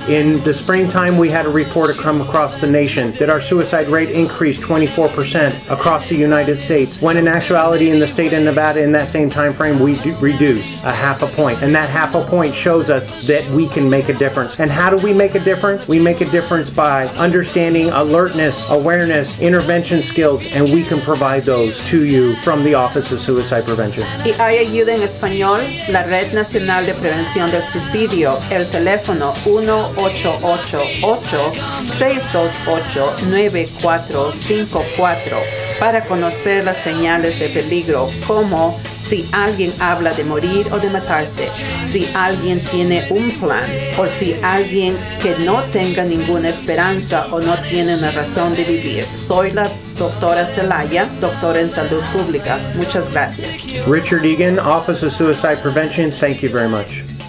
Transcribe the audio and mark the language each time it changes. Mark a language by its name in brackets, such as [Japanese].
[English] In the springtime, we had a report come across the nation that our suicide rate increased 24% across the United States, when in actuality in the state of Nevada in that same time frame, we reduced a half a point. And that half a point shows us that we can make a difference. And how do we make a difference? We make a difference by understanding alertness, awareness, intervention skills, and we can provide those to you from the Office of Suicide Prevention. [Spanish] Y hay ayuda en español, la Red Nacional de Prevención del Suicidio, el teléfono 1-888-628-9454 para conocer las señales de peligro, como si alguien habla de morir o de matarse, si alguien tiene un plan, o si alguien que no tenga ninguna esperanza o no tiene una razón de vivir. Soy la doctora Zelaya, doctora en salud pública. Muchas gracias. [English] Richard Egan, Office of Suicide Prevention, thank you very much.